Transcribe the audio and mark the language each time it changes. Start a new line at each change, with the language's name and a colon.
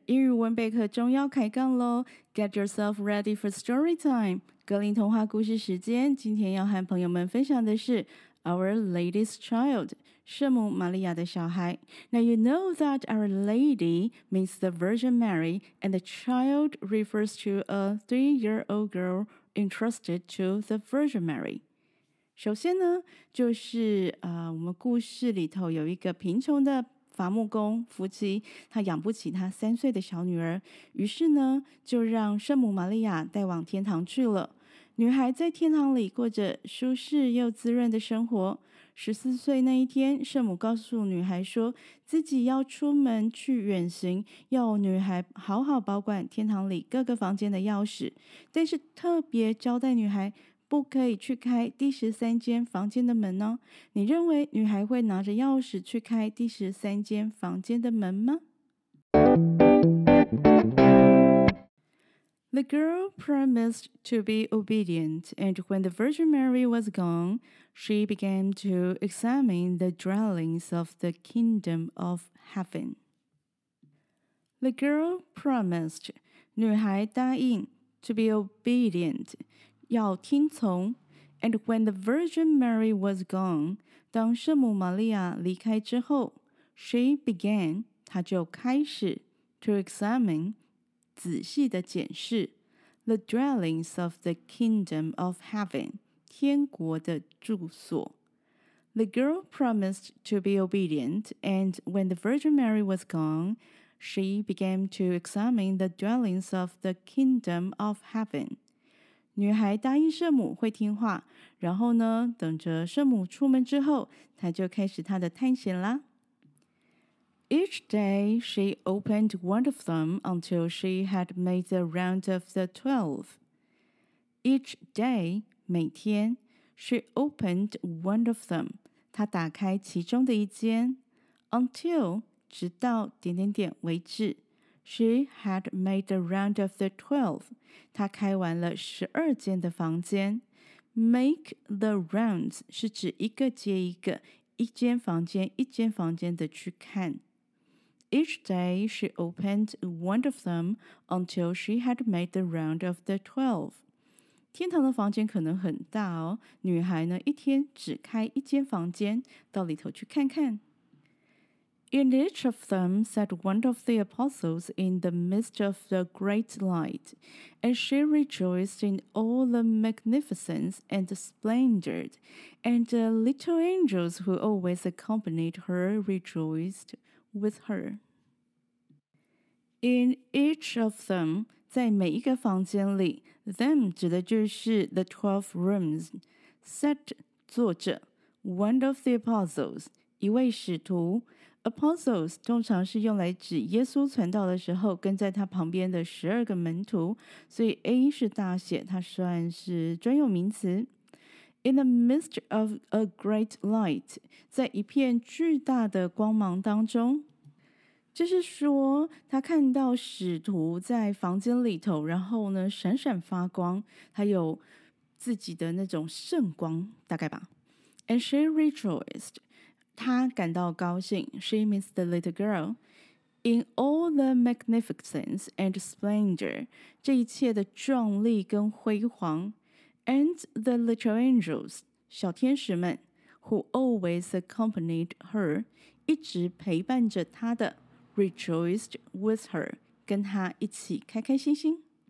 Chinese: 英语文备课终要开杠咯。
English: Get yourself ready for story time.
Chinese: 格林童话故事时间，今天要和朋友们分享的是
English: Our Lady's Child,
Chinese: 圣母玛利亚的小孩。
English: Now you know that Our Lady means the Virgin Mary, and the child refers to a three-year-old girl entrusted to the Virgin Mary.
Chinese: 首先呢，就是我们故事里头有一个贫穷的伐木工夫妻，他养不起他三岁的小女儿，于是呢，就让圣母玛利亚带往天堂去了。女孩在天堂里过着舒适又滋润的生活。 14岁那一天，圣母告诉女孩说，自己要出门去远行，要女孩好好保管天堂里各个房间的钥匙，但是特别交代女孩不可以去开第13间房间的门呢？你认为女孩会拿着钥匙去开第13间房间的门吗？
English: The girl promised to be obedient, and when the Virgin Mary was gone, she began to examine the dwellings of the kingdom of heaven. The girl promised,
Chinese: 女孩答应
English: to be obedient,
Chinese: 要听从
English: and when the Virgin Mary was gone,
Chinese: 当圣母玛利亚离开之后
English: she began,
Chinese: 她就开始
English: to examine,
Chinese: 仔细地检视
English: the dwellings of the kingdom of heaven,
Chinese: 天国的住所
English: The girl promised to be obedient, and when the Virgin Mary was gone, she began to examine the dwellings of the kingdom of heaven.
Chinese: 女孩答应圣母会听话，然后呢，等着圣母出门之后，她就开始她的探险啦。
English: Each day, she opened one of them until she had made the round of the 12. Each day,
Chinese: 每天
English: she opened one of them,
Chinese: 她打开其中的一间
English: until,
Chinese: 直到点点点为止。
English: She had made the round of the 12.
Chinese: 她开完了12间的房间。
English: Make the rounds
Chinese: 是指一个接一个，一间房间一间房间的去看。
English: Each day she opened one of them until she had made the round of the 12.
Chinese: 天堂的房间可能很大哦，女孩呢一天只开一间房间，到里头去看看。
English: In each of them sat one of the apostles in the midst of the great light, and she rejoiced in all the magnificence and the splendor, and the little angels who always accompanied her rejoiced with her. In each of them,
Chinese: 在每一个房间里 them 指的就是
English: the 12 rooms, sat
Chinese: 坐着
English: one of the apostles,
Chinese: 一位使徒Apostles 通常是用来指耶稣传道的时候跟在他旁边的12个门徒，所以 A 是大写，它算是专有名词。
English: In the midst of a great light,
Chinese: 在一片巨大的光芒当中，就是说他看到使徒在房间里头，然后呢闪闪发光，他有自己的那种圣光，大概吧。
English: And she rejoiced.
Chinese: 她感到高兴
English: She means the little girl In all the magnificence and splendor
Chinese: 这一切的壮丽跟辉煌
English: And the little angels
Chinese: 小天使们
English: Who always accompanied her
Chinese: 一直陪伴着她的
English: Rejoiced with her
Chinese: 跟她一起开开心心